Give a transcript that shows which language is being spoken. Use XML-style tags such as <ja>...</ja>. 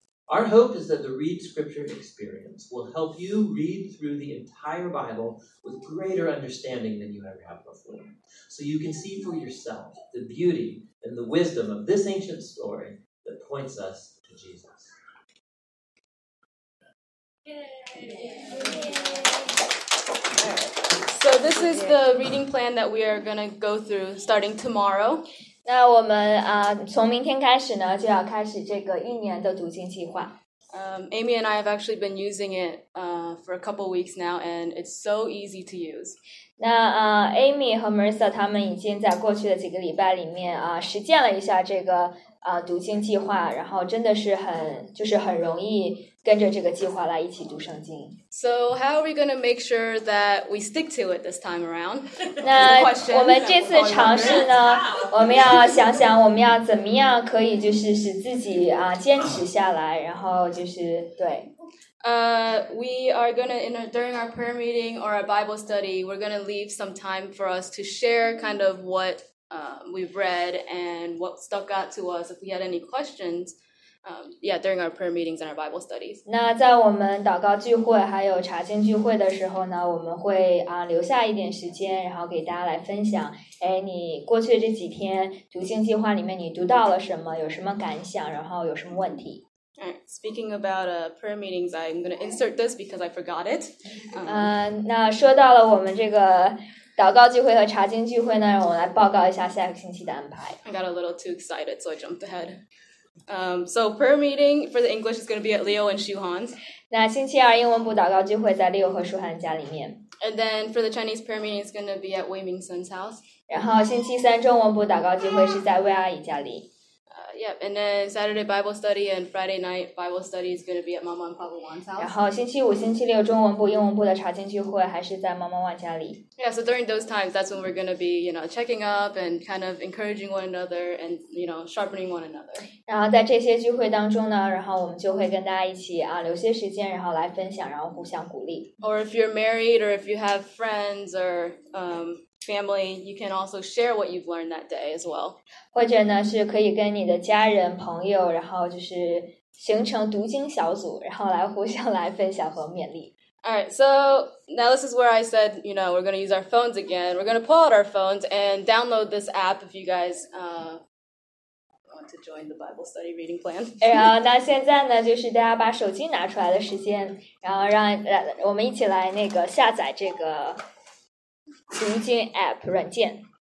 <en>Our hope is that the Read Scripture experience will help you read through the entire Bible with greater understanding than you ever have before, so you can see for yourself the beauty and the wisdom of this ancient story that points us to Jesus. Right. So this is the reading plan that we are going to go through starting tomorrow.</en> <zh>那我们啊，从明天开始呢，就要开始这个一年的读经计划。</zh> <en>Amy and I have actually been using it for a couple weeks now, and it's so easy to use.</en> <zh>那Amy 和 Marissa 他们已经在过去的几个礼拜里面啊，实践了一下这个读经计划，然后真的是很容易跟着这个计划来一起读圣经。</zh> <en>So how are we going to make sure that we stick to it this time around?</en> <zh>那我们这次尝试呢，我们要想想我们要怎么样可以就是使自己啊坚持下来，然后就是对。</zh> <en>We are going to, during our prayer meeting or our Bible study, we're going to leave some time for us to share kind of what we've read and what stuck out to us. If we had any questions, during our prayer meetings and our Bible studies.</en> <zh>那在我们祷告聚会还有查经聚会的时候呢，我们会留下一点时间，然后给大家来分享，哎，你过去这几天读经计划里面你读到了什么，有什么感想，然后有什么问题。</zh> <en>Alright, speaking about prayer meetings, I'm going to insert this because I forgot it.</en> <zh>那说到了我们这个祷告聚会和查经聚会呢，让我来报告一下下个星期的安排。</zh> <en>I got a little too excited, so I jumped ahead. So prayer meeting for the English is going to be at Leo and Shuhan's.</en> <zh>那星期二英文部祷告聚会在 Leo 和 Shuhan 家里面。</zh> <en>And then for the Chinese prayer meeting, it's going to be at Wei Mingsun's house.</en> <zh>然后星期三中文部祷告聚会是在魏阿姨家里。</zh> <en>Yeah, and then Saturday Bible study and Friday night Bible study is going to be at Mama and Papa Wan's house.</en> <zh>然后星期五、星期六中文部、英文部的查经聚会还是在妈妈万家里。</zh> <en>Yeah, so during those times, that's when we're going to be, you know, checking up and kind of encouraging one another and, you know, sharpening one another.</en> <zh>然后在这些聚会当中呢，然后我们就会跟大家一起啊，留些时间，然后来分享，然后互相鼓励。</zh> <en>Or if you're married, or if you have friends, or family, you can also share what you've learned that day as well.</en> <zh>或者呢，是可以跟你的家人、朋友，然后就是形成读经小组，然后来互相来分享和勉励。</zh> <en>Alright, so now this is where I said, you know, we're going to use our phones again. We're going to pull out our phones and download this app if you guys want to join the Bible study reading plan.</en> <zh>然后那现在呢，就是大家把手机拿出来的时间，然后让我们一起来那个下载这个读经 app 软件。</zh>